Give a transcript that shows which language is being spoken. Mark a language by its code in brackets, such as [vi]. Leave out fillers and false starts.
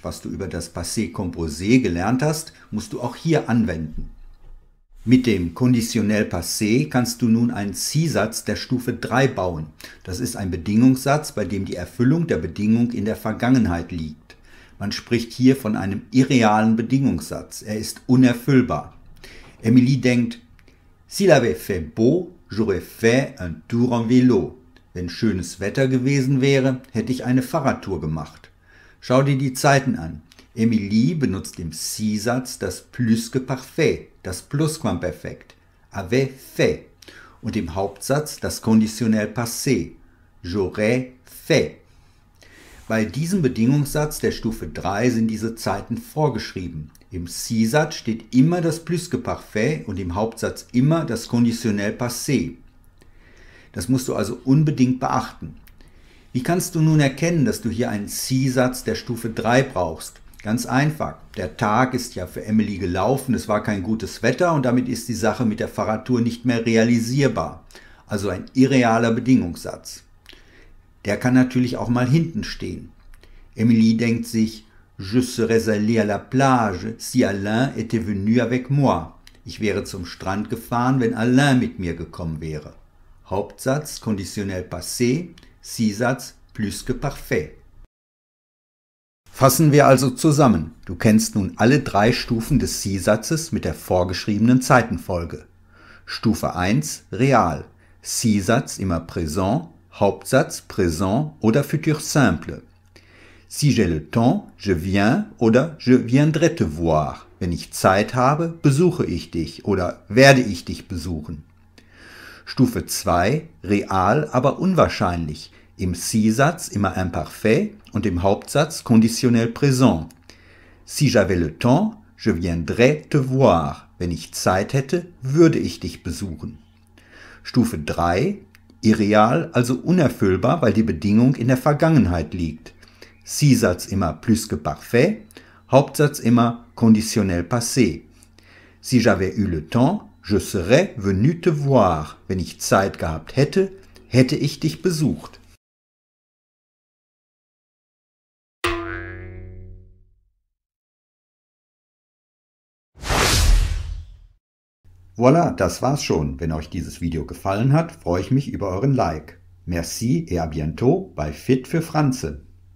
[de] Was du über das Passé Composé gelernt hast, musst du auch hier anwenden. Mit dem Conditionnel Passé kannst du nun einen C-Satz der Stufe 3 bauen. Das ist ein Bedingungssatz, bei dem die Erfüllung der Bedingung in der Vergangenheit liegt. Man spricht hier von einem irrealen Bedingungssatz. Er ist unerfüllbar. Emily denkt, [fr] s'il avait fait beau, j'aurais fait un tour en vélo. [de] Wenn schönes Wetter gewesen wäre, hätte ich eine Fahrradtour gemacht. Schau dir die Zeiten an. Emilie benutzt im C-Satz das plusque parfait, das Plusquamperfekt, [fr] avait fait, [de] und im Hauptsatz das Conditionnel passé, [fr] j'aurais fait. [de] Bei diesem Bedingungssatz der Stufe 3 sind diese Zeiten vorgeschrieben. Im C-Satz steht immer das plusque parfait und im Hauptsatz immer das Conditionnel passé. Das musst du also unbedingt beachten. Wie kannst du nun erkennen, dass du hier einen C-Satz der Stufe 3 brauchst? Ganz einfach. Der Tag ist ja für Emily gelaufen, es war kein gutes Wetter und damit ist die Sache mit der Fahrradtour nicht mehr realisierbar. Also ein irrealer Bedingungssatz. Der kann natürlich auch mal hinten stehen. Emily denkt sich, [fr] je serais allé à la plage si Alain était venu avec moi. [de] Ich wäre zum Strand gefahren, wenn Alain mit mir gekommen wäre. Hauptsatz, conditionnel passé, C-Satz, plus que parfait. Fassen wir also zusammen. Du kennst nun alle drei Stufen des C-Satzes mit der vorgeschriebenen Zeitenfolge. Stufe 1, real. C-Satz, immer présent. Hauptsatz, présent oder futur simple. [fr] Si j'ai le temps, je viens [de] oder [fr] je viendrai te voir. [de] Wenn ich Zeit habe, besuche ich dich oder werde ich dich besuchen. Stufe 2, real, aber unwahrscheinlich. Im C-Satz immer imparfait und im Hauptsatz conditionnel présent. [fr] Si j'avais le temps, je viendrais te voir. [de] Wenn ich Zeit hätte, würde ich dich besuchen. Stufe 3, Irreal, also unerfüllbar, weil die Bedingung in der Vergangenheit liegt. Si-Satz immer plus que parfait, Hauptsatz immer conditionnel passé. [fr] Si j'avais eu le temps, je serais venu te voir. [de] Wenn ich Zeit gehabt hätte, hätte ich dich besucht. Voilà, das war's schon. Wenn euch dieses Video gefallen hat, freue ich mich über euren Like. [fr] Merci et à bientôt [de] bei Fit für Franze.